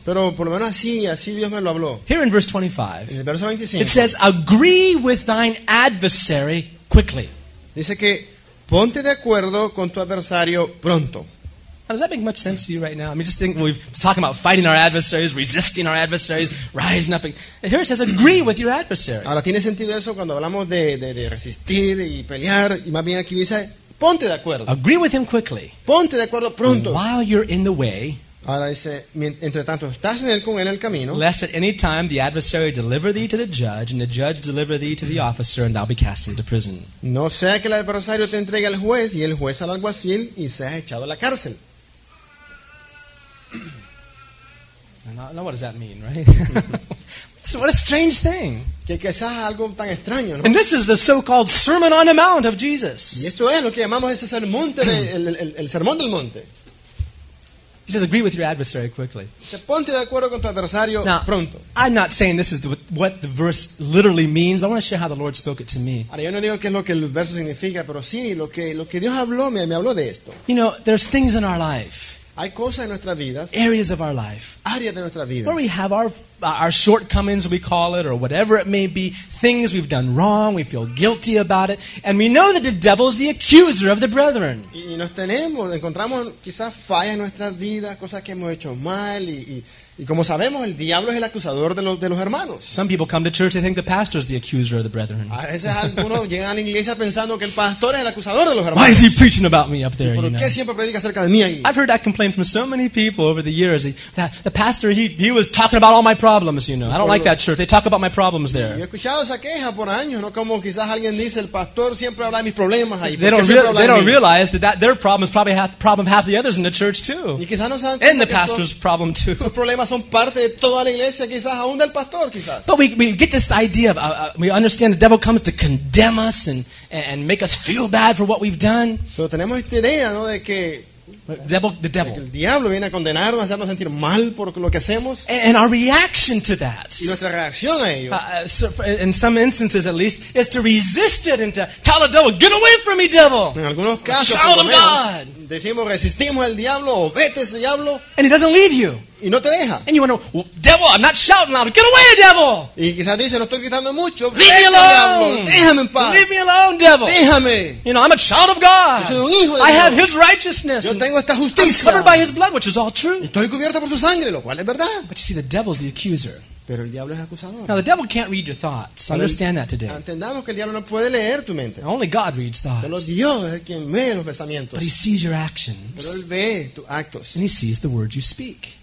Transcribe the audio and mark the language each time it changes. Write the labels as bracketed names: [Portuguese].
[Spanish] Pero por lo menos así Dios me lo habló. [English] Here in verse 25. [Spanish] En el verso 25. [English] It says, agree with thine adversary quickly. [Spanish] Dice que ponte de acuerdo con tu adversario pronto. [English] Does that make much sense to you right now? I mean, just think, we're talking about fighting our adversaries, resisting our adversaries, rising up. And here it says, agree with your adversary. [Spanish] Ahora, ¿tiene sentido eso cuando hablamos de resistir y pelear? Y más bien aquí dice, ponte de acuerdo. [English] Agree with him quickly. [Spanish] Ponte de acuerdo pronto. [English] And while you're in the way, [Spanish] ahora dice, entre tanto, estás en él con él en el camino. [English] Lest at any time the adversary deliver thee to the judge, and the judge deliver thee to the officer, and thou be cast into prison. [Spanish] No sea que el adversario te entregue al juez, y el juez al alguacil, y seas echado a la cárcel. [English] Now, what does that mean, right? So what a strange thing. [Spanish] Que quizás algo tan extraño, ¿no? [English] And this is the so-called Sermon on the Mount of Jesus. [Spanish] Y esto es lo que llamamos ese sermón el sermón del monte. [English] He says, agree with your adversary quickly. [Spanish] Se ponte de acuerdo con tu adversario [English] now, [Spanish] pronto. [English] I'm not saying this is what the verse literally means, but I want to share how the Lord spoke it to me. [Spanish] Ahora, yo no digo qué es lo que el verso significa, pero sí, lo que Dios habló, me habló de esto. [English] You know, there's things in our life. [Spanish] Hay cosas en nuestras vidas, [English] areas of our life, [Spanish] áreas de nuestras vidas, [English] where we have our shortcomings, we call it, or whatever it may be, things we've done wrong, we feel guilty about it, and we know that the devil is the accuser of the brethren. [Spanish] Y nos tenemos, encontramos quizás fallas en nuestras vidas, cosas que hemos hecho mal, y como sabemos, el diablo es el acusador de los hermanos. [English] Some people come to church, they think the pastor is the accuser of the brethren. [Spanish] A veces algunos llegan a la iglesia pensando que el pastor es el acusador de los hermanos. [English] Why is he preaching about me up there? [Spanish] ¿Por qué siempre predica acerca de mí ahí? [English] I've heard that complaint from so many people over the years. That the pastor, he was talking about all my problems, you know. I don't like that church. They talk about my problems there. [Spanish] He escuchado esa queja por años, ¿no? Como quizás alguien dice, el pastor siempre habla de mis problemas ahí. [English] They don't realize that their problem is probably the problem of half the others in the church too. [Spanish] Y quizás no saben. [English] And the pastor's problem too. [Spanish] Son parte de toda la iglesia, quizás aún del pastor, quizás. [English] But we get this idea of we understand the devil comes to condemn us and make us feel bad for what we've done. [Spanish] Pero tenemos esta idea, ¿no? De que [English] the devil. [Spanish] El diablo viene a condenarnos, a hacernos sentir mal por lo que hacemos. [English] And our reaction to that. [Spanish] Y nuestra reacción a ello. [English] In some instances, at least, is to resist it and to tell the devil, "Get away from me, devil!" [Spanish] En algunos casos, [English] shout him God. [Spanish] Decimos, resistimos al diablo, o vete ese diablo. [English] And he doesn't leave you. [Spanish] Y no te deja. [English] And you wonder, devil, I'm not shouting loud. Get away, devil. [Spanish] Y quizás dice, no estoy gritando mucho. [English] Leave me alone. [Spanish] Déjame en paz. [English] Leave me alone, devil. [Spanish] Déjame. [English] You know, I'm a child of God. [Spanish] Yo soy un hijo de [English] Dios. I have his righteousness. [Spanish] Yo tengo esta justicia. [English] I'm covered by his blood, which is all true. [Spanish] Estoy cubierto por su sangre, lo cual es verdad. [English] But you see, the devil's the accuser. [Spanish] Pero el diablo es acusador. [English] Now the devil can't read your thoughts. Understand that today. [Spanish] Entendamos que el diablo no puede leer tu mente. [English] Only God reads thoughts. [Spanish] Pero Dios es quien ve los pensamientos. [English] But he sees your actions. [Spanish] Pero él ve tus actos. [English] And he sees the words you speak.